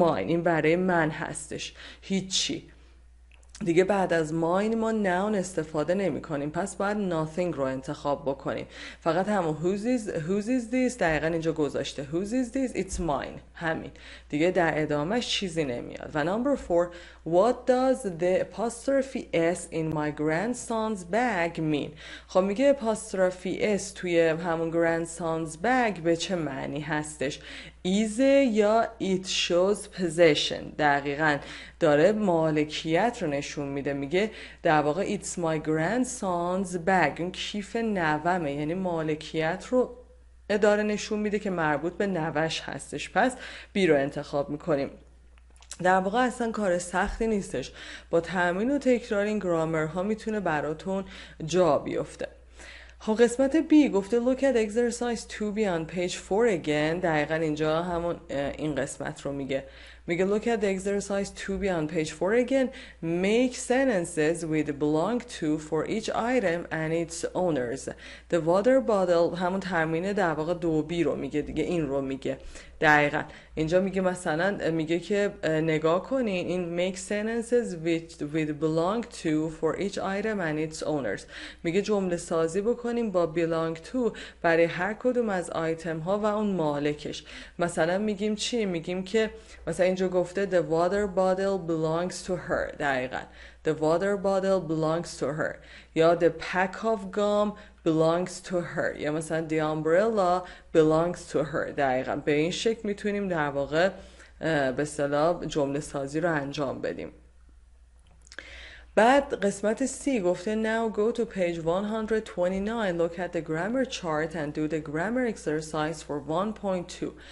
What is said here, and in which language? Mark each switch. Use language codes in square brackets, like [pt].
[fa] این برای من هستش. هیچی. دیگه بعد از mine ما noun استفاده نمی کنیم. پس باید nothing رو انتخاب بکنیم. [en] فقط همون whose is this [fa] دقیقا اینجا گذاشته. [en] Whose is this? It's mine. همین. [fa] دیگه در ادامه چیزی نمیاد. و number four. [en] What does the apostrophe S in my grandson's bag mean? [fa] خب میگه apostrophe S توی همون grandson's bag به چه معنی هستش؟ Is یا [en] it shows possession. [fa] دقیقا داره مالکیت رو نشون میده. میگه در واقع [en] it's my grandson's bag. [fa] اون کیف نوامه. یعنی مالکیت رو اداره نشون میده که مربوط به نوش هستش. پس بی رو انتخاب میکنیم. در واقع اصلا کار سختی نیستش. با تمرین و تکرار این گرامر ها میتونه براتون جا بیفته. خب قسمت B گفته [en] look at exercise 2B on page 4 again. [fa] دقیقا اینجا همون این قسمت رو میگه. [en] میگه look at exercise 2B on page 4 again. Make sentences with belong to for each item and its owners. The water bottle [fa] همون تمرین در واقع 2B رو میگه دیگه. این رو میگه دقیقا. اینجا میگه مثلا میگه که نگاه کنین این [en] make sentences with belong to for each item and its owners. [fa] میگه جمله سازی بکنیم با belong to برای هر کدوم از آیتم ها و اون مالکش. مثلا میگیم چی؟ میگیم که مثلا اینجا گفته [en] the water bottle belongs to her. دقیقا the water bottle belongs to her. یا the pack of gum belongs to her. یا مثلا the umbrella belongs to her. [fa] دقیقا به این شکل میتونیم در واقع به اصطلاح جمله سازی رو انجام بدیم. [en] بعد قسمت C گفته now go to page 129, look at the grammar chart and do the grammar exercise for 1.2.